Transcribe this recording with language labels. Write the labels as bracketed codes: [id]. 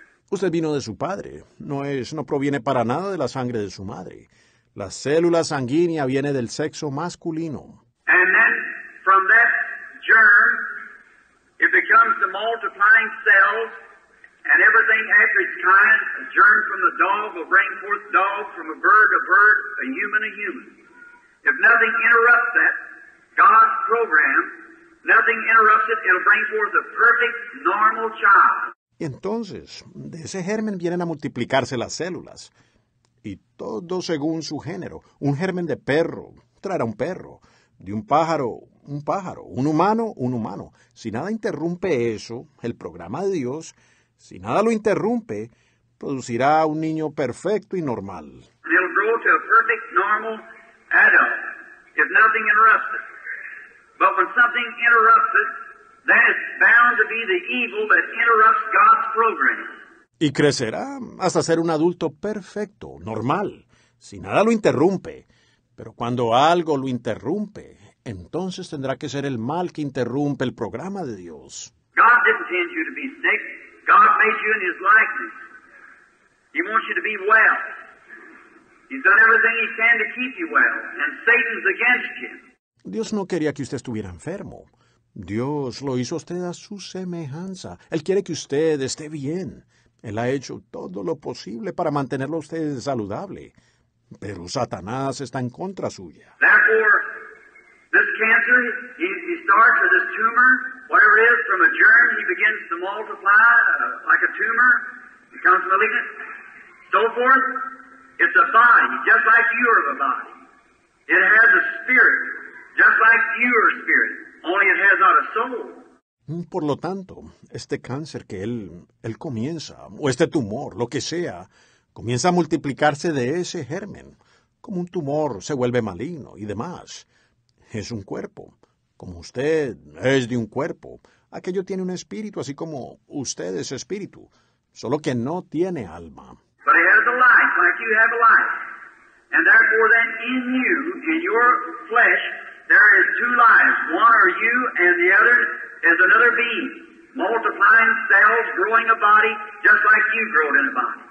[es] Usted vino de su padre. No proviene para nada de la sangre de su madre. La célula sanguínea viene del sexo masculino. [en] And then from that germ, it becomes the multiplying cells and everything after its kind. A germ from the dog will bring forth dog, from a bird, a human, a human. If nothing interrupts that, God's program, nothing interrupts it, it'll bring forth a perfect, normal child. [es] Y entonces, de ese germen vienen a multiplicarse las células. Y todo según su género. Un germen de perro traerá un perro. De un pájaro. Un humano. Si nada interrumpe eso, el programa de Dios, si nada lo interrumpe, producirá un niño perfecto y normal. [en] He'll grow to a perfect, normal adult if nothing interrupts it. But when something interrupts it, that is bound to be the evil that interrupts God's program. [es] Y crecerá hasta ser un adulto perfecto, normal, si nada lo interrumpe. Pero cuando algo lo interrumpe, entonces tendrá que ser el mal que interrumpe el programa de Dios. [en] God didn't send you to be sick. God made you in His likeness. He wants you to be well. He's done everything He can to keep you well, and Satan's against you. [es] Dios no quería que usted estuviera enfermo. Dios lo hizo a usted a su semejanza. Él quiere que usted esté bien. Él ha hecho todo lo posible para mantenerlo a usted saludable, pero Satanás está en contra suya. [en] Therefore, this cancer, he starts with this tumor, whatever it is, from a germ, he begins to multiply like a tumor, becomes malignant, so forth. It's a body, just like you are a body. It has a spirit, just like you are a spirit, only it has not a soul. [es] Por lo tanto, este cáncer que él comienza, o este tumor, lo que sea, comienza a multiplicarse de ese germen, como un tumor se vuelve maligno y demás. Es un cuerpo, como usted es de un cuerpo. Aquello tiene un espíritu, así como usted es espíritu, solo que no tiene alma. [en] But it has a life, like you have a life. And therefore then in you, in your flesh, there is two lives. One are you, and the other is another being, multiplying cells, growing a body, just like you grow in a body.